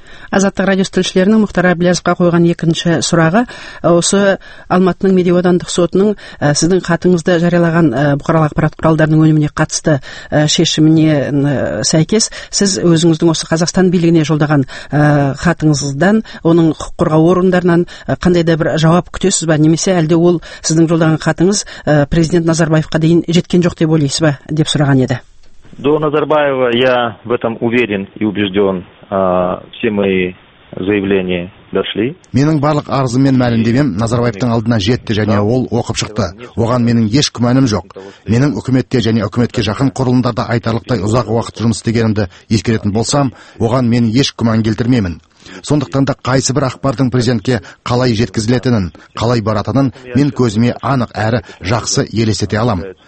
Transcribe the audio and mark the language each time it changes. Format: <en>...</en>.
<kk>Азаттық радиосы тілшілерінің Мұхтар Әбілязовқа қойған екінші сұрағы, осы Алматының медиа аудандық сотының сіздің хатыңызды жариялаған бұқаралық ақпарат құралдарының өніміне қатысты шешіміне сәйкес, сіз өзіңіздің осы Қазақстан билігіне жолдаған хатыңыздан, оның құқық қорғау орындарынан қандай да бір жауап күтесіз ба, немесе әлде ол сіздің жолдаған хатыңыз президент Назарбаевқа дейін жеткен жоқ деп ойлайсыз ба, деп сұраған еді.</kk> <ru>До Назарбаева я в этом уверен и убежден, все мои заявления дошли.</ru> <kk>Менің барлық арзым мен мәлімдемем Назарбаевтың алдына жетті және ол оқып шықты. Оған менің еш күмәнім жоқ. Менің үкіметке және үкіметке жақын құрылымдарда айтарлықтай ұзақ уақыт жұмыс істегенімді ескеретін болсам, оған мен еш күмән келтірмеймін. Сондықтан да қайсы бір ақпардың президентке қалай жеткізілетінін, қалай баратынын мен көзіме анық әрі жақсы елестете алам.</kk>